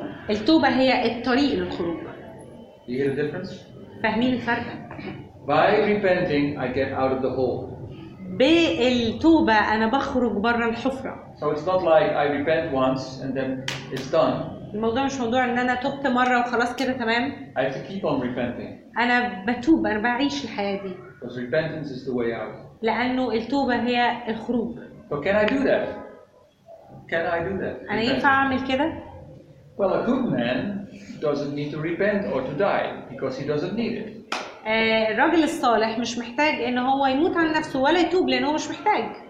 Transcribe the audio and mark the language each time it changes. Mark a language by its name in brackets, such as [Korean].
[Arabic] التوبة هي الطريق للخروج. [English] Do you hear the difference? [Arabic] فاهمين الفرق؟ [English] By repenting, I get out of the hole. [Arabic] بالتوبة أنا بخرج برا الحفرة. [English] So it's not like I repent once and then it's done. [Arabic] الموضوع مش موضوع إن أنا تبت مرة وخلاص كده تمام. [English] I have to keep on repenting. [Arabic] أنا بتوب أنا بعيش الحياة دي. [English] Because repentance is the way out. [Arabic] لأنه التوبة هي الخروج. [English] So can I do that? Can I do that? [Arabic] أنا ينفع أعمل كده؟ [English] Well, a good man doesn't need to repent or to die because he doesn't need it. [Arabic] الراجل الصالح مش محتاج ان هو يموت عن نفسه ولا يتوب لان هو مش محتاج.